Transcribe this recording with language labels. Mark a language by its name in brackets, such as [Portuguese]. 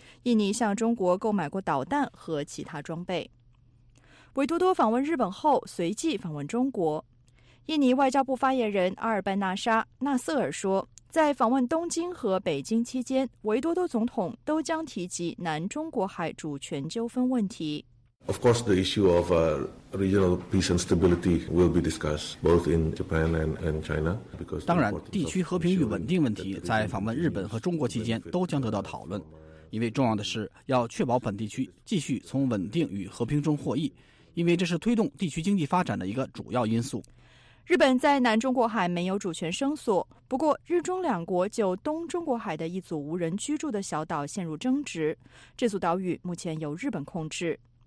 [Chinese] 印尼向中国购买过导弹和其他装备。维多多访问日本后，随即访问中国。印尼外交部发言人阿尔班纳沙·纳瑟尔说，在访问东京和北京期间，维多多总统都将提及南中国海主权纠纷问题。 [English] Of course, the issue of regional peace and stability will be discussed both in Japan and China. Because [Chinese] 当然，地区和平与稳定问题在访问日本和中国期间都将得到讨论，因为重要的是要确保本地区继续从稳定与和平中获益，因为这是推动地区经济发展的一个主要因素。日本在南中国海没有主权声索，不过日中两国就东中国海的一组无人居住的小岛陷入争执，这组岛屿目前由日本控制。